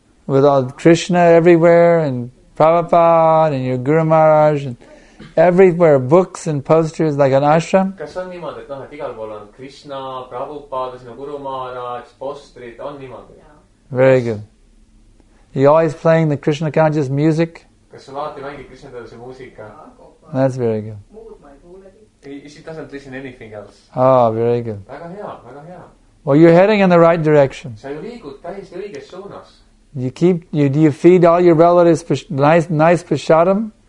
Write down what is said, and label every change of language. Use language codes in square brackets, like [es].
[en] With all Krishna everywhere and Prabhupada and your Guru Maharaj and everywhere, books and posters like an ashram? [et] Kas on niimoodi, et noh, et igal pool on Krishna, Prabhupada, sinu Guru Maharaj, posterid, on niimoodi? [en] Yeah. Very good. You always playing the Krishna conscious music? [et] Kas sa vaati mängid Krishna teaduse muusika? [en] That's very good. She doesn't listen anything else. Ah, oh, very good. [et] Väga hea, väga hea. [en] Well, you're heading in the right direction. [et] Sa ju liigud täiesti õiges suunas. [en] Do you feed all your relatives nice prasadam?